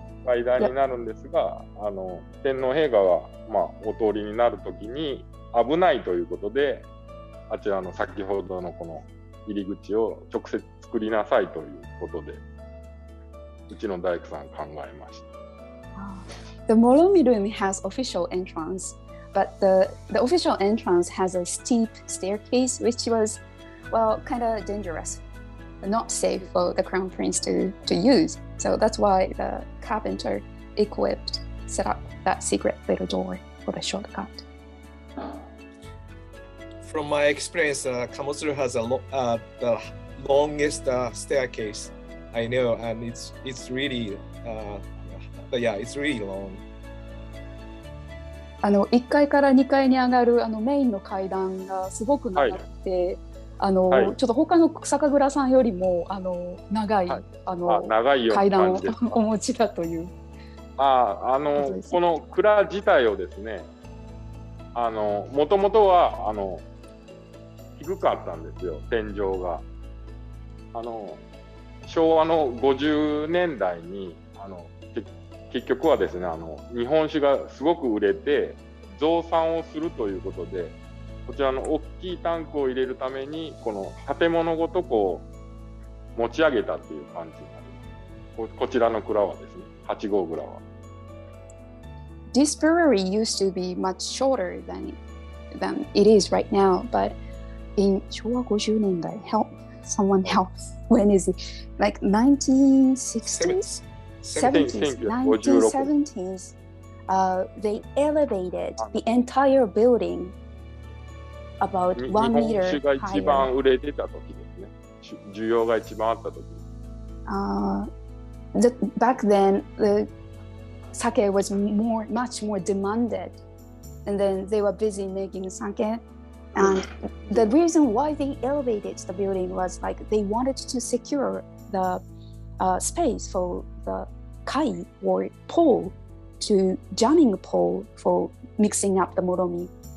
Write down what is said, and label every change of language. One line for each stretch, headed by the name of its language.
Japanese: 階段になるんですが、あの天皇陛下が、まあ、お通りになるときに危ないということで、あちらの先ほどのこの入り口を直接作りなさいということで、うちの大工さん考えました。
English: The Moromi room has official entrance, but the official entrance has a steep staircase, which was, well, kind of dangerous, not safe for the crown prince to use. So that's why the carpenter equipped set up that secret little door for the shortcut. From my experience, Kamotsuru has the longest staircase I know, and it's really. But yeah, it's really long.
Japanese: あの、1階から2階に上がるあのメインの階段がすごく長くて、はいあのはい、ちょっと他の酒蔵さんよりもあの長い、はい、あの長い階段をお持ちだという。あのこの蔵自体をですね、あの元々はあの低かったんですよ、天井が。あの昭和の50年代に、あの結局はですね、あの日本酒がすごく売れて増産をするということで、こちらの大きいタンクを入れるためにこの建物ごとこう持ち上げたっていう感じになる。こちらの蔵はですね、8号蔵は。
English: This brewery used to be much shorter than it is right now, but in 昭和50年代 help someone help when is it like 1960s? 1970s, they elevated the entire building about 1 meter higher.
Japanese: 日本酒が一番売れてた時ですね。需要が一番あった時。
English: Back then, the sake was much more demanded, and then they were busy making sake. And the reason why they elevated the building was like they wanted to secure the space for the kai or pole to jamming pole for mixing up the moromi.